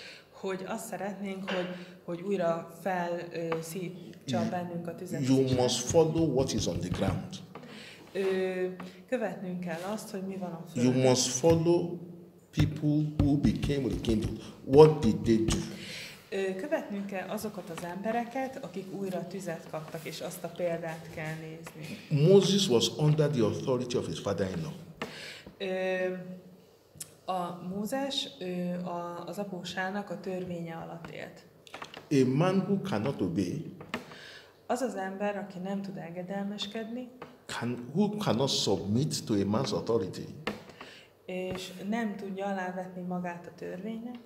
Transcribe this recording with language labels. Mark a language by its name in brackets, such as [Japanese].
[Hungarian] Hogy azt szeretnénk, hogy újra fel szítsa bennünk a tüzet. [English] You must follow what is on the ground. [Hungarian] Követnünk kell azt, hogy mi van a földön. [English] You must follow people who became rekindled. What did they do? [Hungarian] Követnünk kell azokat az embereket, akik újra tüzet kaptak, és azt a példát kell nézni. [English] Moses was under the authority of his father-in-law. [Hungarian] A Mózes az apósának a törvénye alatt élt. [English] A man who cannot obey. [Hungarian] Az az ember, aki nem tud engedelmeskedni. [English] Who cannot submit to a man's authority? [Hungarian] És nem tudja alávetni magát a törvénynek.